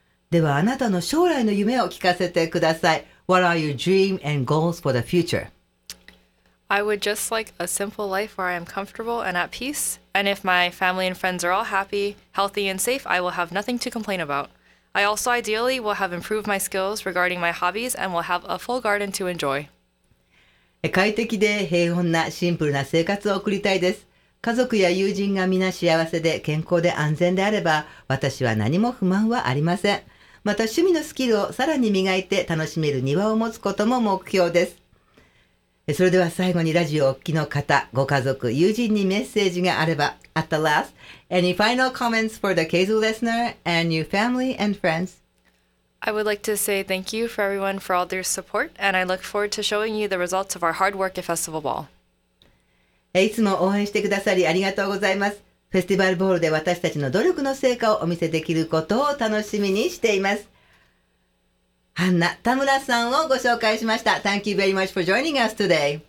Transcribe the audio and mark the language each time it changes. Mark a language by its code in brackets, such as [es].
[ja] ではあなたの将来の夢を聞かせてください。 [en] What are your dream and goals for the future? I would just like a simple life where I am comfortable and at peace. And if my family and friends are all happy, healthy and safe, I will have nothing to complain about. I also ideally will have improved my skills regarding my hobbies and will have a full garden to enjoy. [ja] 快適で平穏なシンプルな生活を送りたいです。家族や友人が皆幸せで健康で安全であれば、私は何も不満はありません。また趣味のスキルをさらに磨いて楽しめる庭を持つことも目標です。それでは最後にラジオをお聞きの方、ご家族、友人にメッセージがあれば。 [en] At the last, any final comments for the KZU listener and your family and friends? I would like to say thank you for everyone for all their support, and I look forward to showing you the results of our hard work at Festival Ball. [ja] いつも応援してくださりありがとうございます。フェスティバルボールで私たちの努力の成果をお見せできることを楽しみにしています。ハンナ田村さんをご紹介しました。 [en] Thank you very much for joining us today.